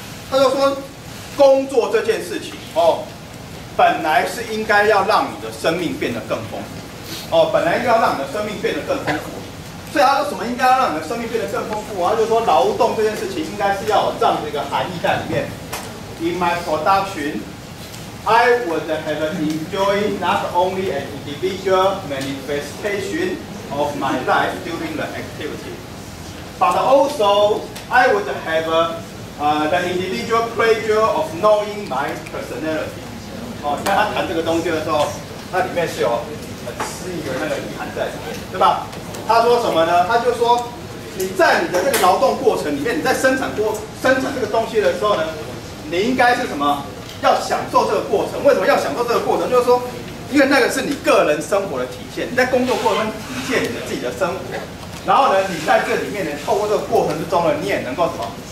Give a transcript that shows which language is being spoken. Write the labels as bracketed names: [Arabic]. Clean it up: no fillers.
[Chinese] 他就说工作这件事情，本来是应该要让你的生命变得更丰富，本来应该要让你的生命变得更丰富。所以他说什么应该要让你的生命变得更丰富？他就说劳动这件事情应该是要有这样的一个含义在里面。 [English] In my production, I would have enjoyed not only an individual manifestation of my life during the activity, but also I would have the individual pleasure of knowing my personality. [Chinese] 你看他谈这个东西的时候，那里面是有很诗意的那个遗憾在里面，对吧？他说什么呢？他就说，你在你的这个劳动过程里面，你在生产这个东西的时候呢，你应该是什么？要享受这个过程。为什么要享受这个过程？就是说，因为那个是你个人生活的体现，你在工作过程中体现你的自己的生活，然后呢，你在这里面呢，透过这个过程之中呢，你也能够什么？